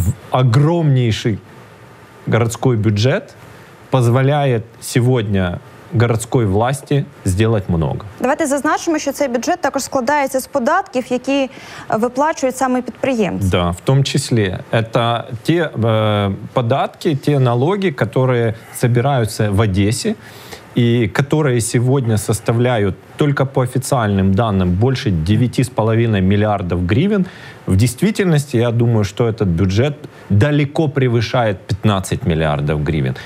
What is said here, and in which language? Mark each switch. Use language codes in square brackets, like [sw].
[ru] Огромнейший городской бюджет позволяет сегодня городской власти сделать много. [uk] Давайте зазначимо, що цей бюджет також складається з податків, які виплачують саме підприємці. Да, в тому числі. [ru] Это те податки, те налоги, которые собираются в Одессе, и которые сегодня составляют только по официальным данным больше 9,5 миллиардов гривен. В действительности, я думаю, что этот бюджет далеко превышает 15 миллиардов гривен.